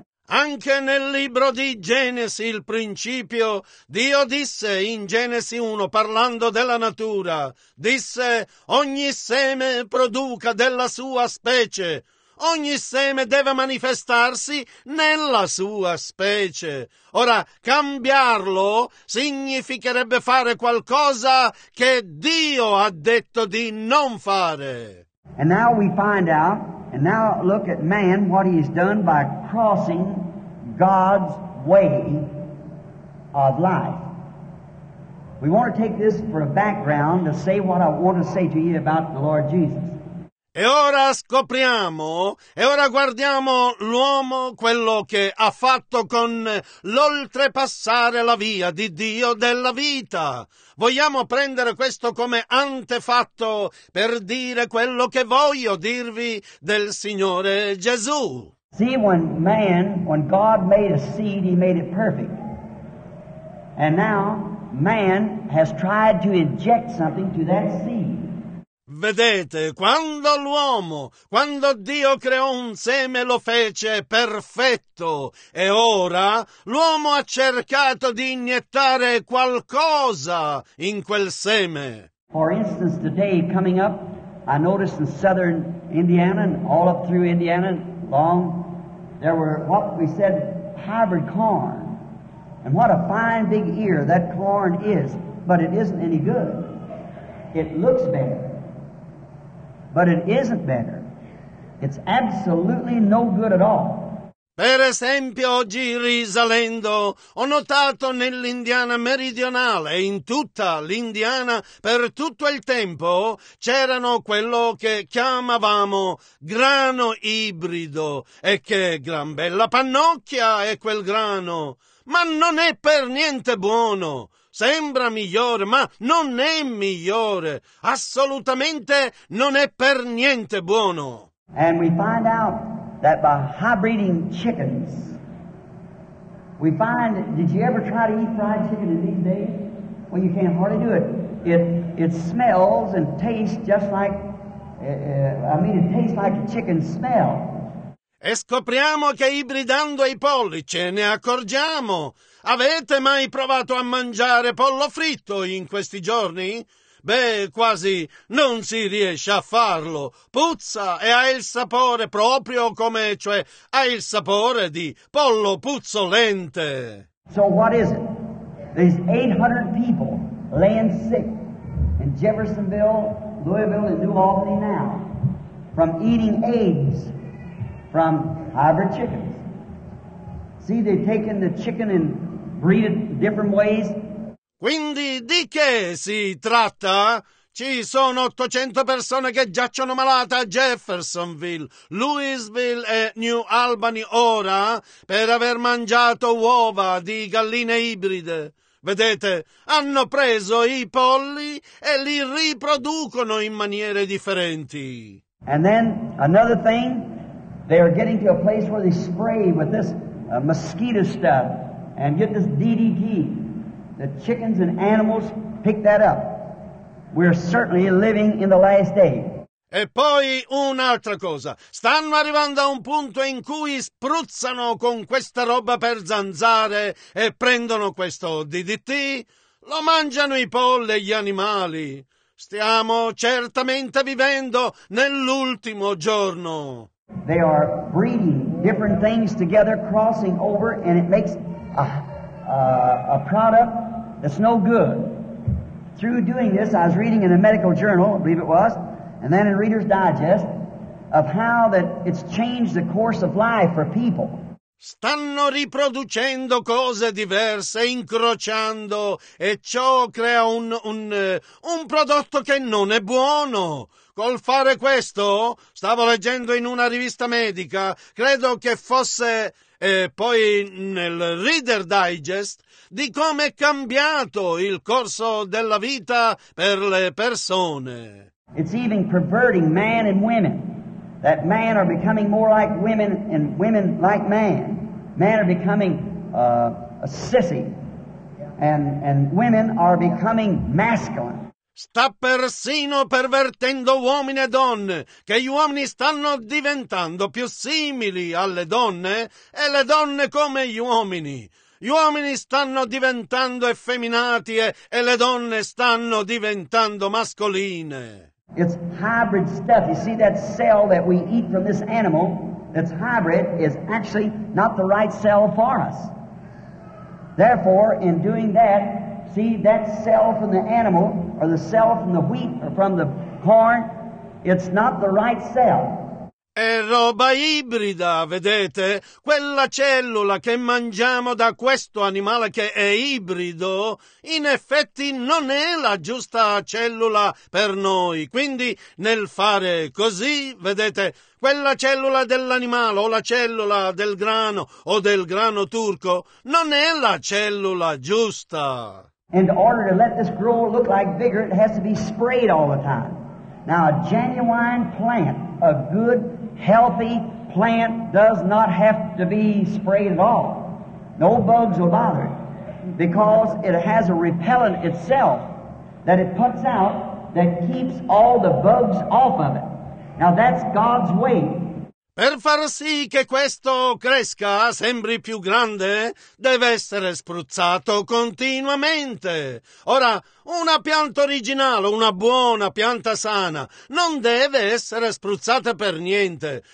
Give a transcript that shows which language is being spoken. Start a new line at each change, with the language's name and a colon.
Italian: Anche nel libro di Genesi, il principio, Dio disse in Genesi 1, parlando della natura, disse, ogni seme produca della sua specie, ogni seme deve manifestarsi nella sua specie. Ora, cambiarlo significherebbe fare qualcosa che Dio ha detto di non fare.
English: And now we find out, and now look at man, what he's done by crossing God's way of life. We want to take this for a background to say what I want to say to you about the Lord Jesus.
Italian: E ora scopriamo, e ora guardiamo l'uomo, quello che ha fatto con l'oltrepassare la via di Dio della vita. Vogliamo prendere questo come antefatto per dire quello che voglio dirvi del Signore Gesù.
English: See, when man, when God made a seed, he made it perfect. And now man has tried to inject something to that seed.
Italian: Vedete, quando l'uomo, quando Dio creò un seme, lo fece perfetto, e ora l'uomo ha cercato di iniettare qualcosa in quel seme.
English: For instance, today coming up, I noticed in southern Indiana and all up through Indiana long, there were what we said hybrid corn. And what a fine big ear that corn is, but it isn't any good. It looks better, but it isn't better. It's absolutely no good at all.
Italian: Per esempio, oggi risalendo, ho notato nell'Indiana meridionale, in tutta l'Indiana, per tutto il tempo, c'erano quello che chiamavamo grano ibrido, e che gran bella pannocchia è quel grano. Ma non è per niente buono. Sembra migliore, ma non è migliore. Assolutamente non è per niente buono.
English: And we find out that by hybriding chickens, we find, did you ever try to eat fried chicken in these days? Well, you can't hardly do it. It smells and tastes just like, it tastes like a chicken smell.
Italian: E scopriamo che ibridando i polli ce ne accorgiamo. Avete mai provato a mangiare pollo fritto in questi giorni? Beh, quasi non si riesce a farlo. Puzza e ha il sapore proprio come, cioè, ha il sapore di pollo puzzolente.
English: So what is it? There's 800 people laying sick in Jeffersonville, Louisville, and New Albany now from eating eggs from hybrid chickens. See, they've taken the chicken and breed it different ways.
Italian: Quindi di che si tratta? Ci sono 800 persone che giacciono malate a Jeffersonville, Louisville e New Albany ora per aver mangiato uova di galline ibride. Vedete, hanno preso i polli e li riproducono in maniere differenti.
English: And then another thing, they are getting to a place where they spray with this mosquito stuff and get this DDT. The chickens and animals pick that up. We're certainly living in the last day.
Italian: E poi un'altra cosa. Stanno arrivando a un punto in cui spruzzano con questa roba per zanzare e prendono questo DDT. Lo mangiano i polli e gli animali. Stiamo certamente vivendo nell'ultimo giorno.
English: They are breeding different things together, crossing over, and it makes a product that's no good. Through doing this, I was reading in a medical journal, I believe it was, and then in Reader's Digest, of how that it's changed the course of life for people.
Italian: Stanno riproducendo cose diverse, incrociando, e ciò crea un prodotto che non è buono. Col fare questo, stavo leggendo in una rivista medica, credo che fosse poi nel Reader Digest, di come è cambiato il corso della vita per le persone.
English: It's even perverting man and women. That man are becoming more like women and women like man. Man are becoming a sissy. And women are becoming masculine.
Italian: Sta persino pervertendo uomini e donne, che gli uomini stanno diventando più simili alle donne e le donne come gli uomini. Gli uomini stanno diventando effeminati e le donne stanno diventando mascoline.
English: It's hybrid stuff. You see, that cell that we eat from this animal that's hybrid is actually not the right cell for us. Therefore, in doing that, see, that cell from the animal, or the cell from the wheat, or from the corn, it's not the right cell.
Italian: È roba ibrida, vedete? Quella cellula che mangiamo da questo animale che è ibrido, in effetti non è la giusta cellula per noi. Quindi, nel fare così, vedete, quella cellula dell'animale o la cellula del grano o del grano turco non è la cellula giusta.
English: In order to let this grow look like vigor, it has to be sprayed all the time. Now, a genuine plant, a good, healthy plant, does not have to be sprayed at all. No bugs will bother it, because it has a repellent itself that it puts out that keeps all the bugs off of it. Now, that's God's way.
Italian: Per far sì che questo cresca, sembri più grande, deve essere spruzzato continuamente. Ora, una pianta originale, una buona pianta sana, non deve essere spruzzata per niente.